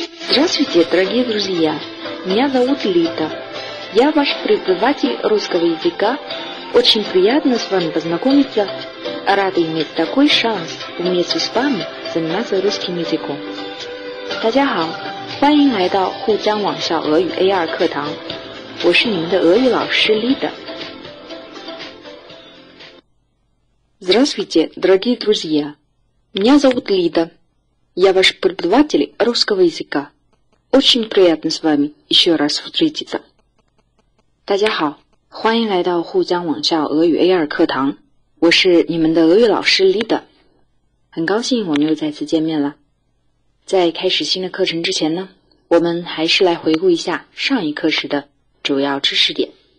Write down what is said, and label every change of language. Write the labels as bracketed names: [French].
[Russian] Здравствуйте, дорогие друзья! Меня зовут Лита. Я ваш преподаватель русского языка. Очень приятно с вами познакомиться. Рада иметь такой шанс вместе с вами заниматься русским языком. [Chinese] 大家好，欢迎来到沪江网校俄语 A2 课堂。我是你们的俄语老师 Лита。 [Russian] Здравствуйте, дорогие друзья! Меня зовут Лита. Я ваш преподаватель русского языка. Очень приятно с вами еще раз встретиться. [Chinese] 大家好，欢迎来到沪江网校俄语 A2 课堂。我是你们的俄语老师 Lita。很高兴我们又再次见面了。在开始新的课程之前呢，我们还是来回顾一下上一课时的主要知识点。